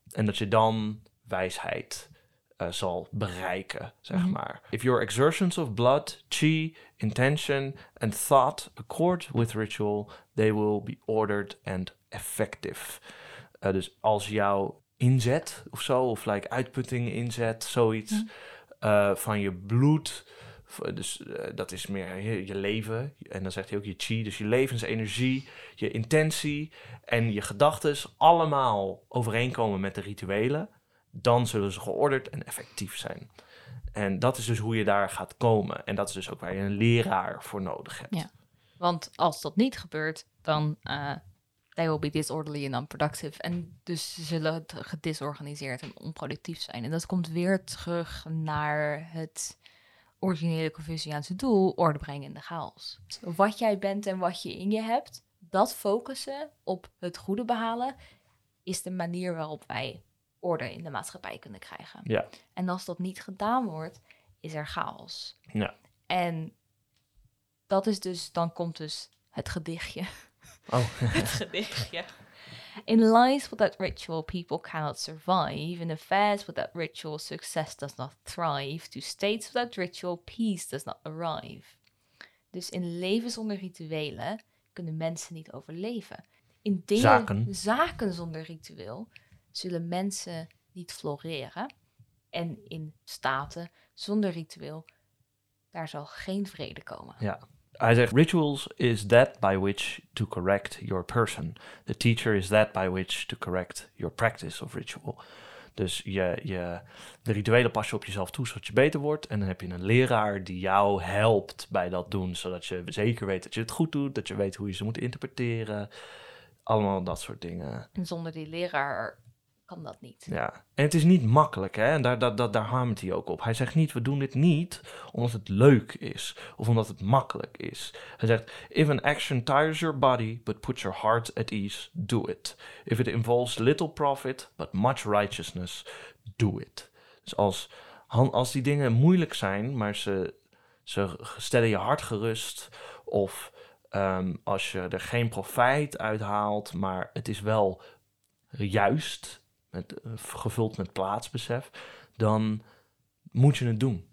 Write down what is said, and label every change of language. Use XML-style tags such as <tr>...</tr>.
<nl>En dat je dan wijsheid zal bereiken, zeg maar.</nl> <en>If your exertions of blood, chi, intention and thought accord with ritual, they will be ordered and effective.</en> <nl>Dus als jouw inzet of zo, of like uitputting inzet, zoiets, van je bloed, Dus dat is meer je leven. En dan zegt hij ook je chi. Dus je levensenergie, je intentie en je gedachtes allemaal overeenkomen met de rituelen. Dan zullen ze geordend en effectief zijn. En dat is dus hoe je daar gaat komen. En dat is dus ook waar je een leraar voor nodig hebt. Ja. Want als dat niet gebeurt, dan</nl> <en>they will be disorderly and unproductive.</en> <nl>En dus ze zullen gedisorganiseerd en onproductief zijn. En dat komt weer terug naar het originele Confuciaanse doel, orde brengen in de chaos. Wat jij bent en wat je in je hebt, dat focussen op het goede behalen, is de manier waarop wij orde in de maatschappij kunnen krijgen. Ja. En als dat niet gedaan wordt, is er chaos. Ja. En dat is dus, dan komt dus het gedichtje. Oh. Het gedichtje.</nl> <en>In life without ritual, people cannot survive. In affairs without ritual, success does not thrive. To states without ritual, peace does not arrive.</en> <nl>Dus in leven zonder rituelen kunnen mensen niet overleven. In dingen, zaken zonder ritueel zullen mensen niet floreren. En in staten zonder ritueel, daar zal geen vrede komen. Ja. Hij zegt,</nl> <en>rituals is that by which to correct your person. The teacher is that by which to correct your practice of ritual.</en> <nl>Dus de rituelen pas je op jezelf toe, zodat je beter wordt. En dan heb je een leraar die jou helpt bij dat doen, zodat je zeker weet dat je het goed doet, dat je weet hoe je ze moet interpreteren. Allemaal dat soort dingen. En zonder die leraar kan dat niet. Ja, en het is niet makkelijk, hè? En daar hamert hij ook op. Hij zegt niet, we doen dit niet omdat het leuk is of omdat het makkelijk is. Hij zegt,</nl> <en>if an action tires your body but puts your heart at ease, do it. If it involves little profit but much righteousness, do it.</en> <nl>Dus als die dingen moeilijk zijn, maar ze stellen je hart gerust, of als je er geen profijt uithaalt, maar het is wel juist, gevuld met plaatsbesef, dan moet je het doen.</nl>